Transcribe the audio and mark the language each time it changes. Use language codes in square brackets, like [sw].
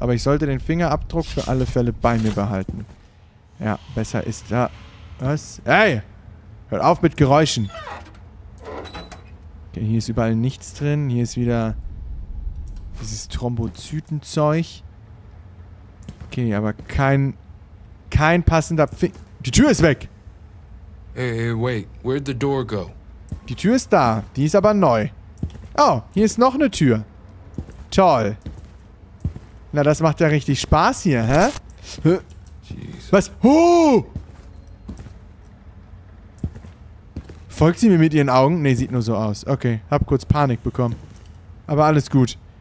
[de] Aber ich sollte den Fingerabdruck für alle Fälle bei mir behalten. Ja, besser ist da. Was? Hey! Hört auf mit Geräuschen! Okay, hier ist überall nichts drin. Hier ist wieder dieses Thrombozytenzeug. Okay, aber kein passender Die Tür ist weg! [en] Hey, wait, where'd the door go? [de] Die Tür ist da, die ist aber neu. Oh, hier ist noch eine Tür. Toll. Na, das macht ja richtig Spaß hier, hä? [en] Jeez. [de] Was? Oh! Folgt sie mir mit ihren Augen? Nee, sieht nur so aus. Okay, hab kurz Panik bekommen. Aber alles gut.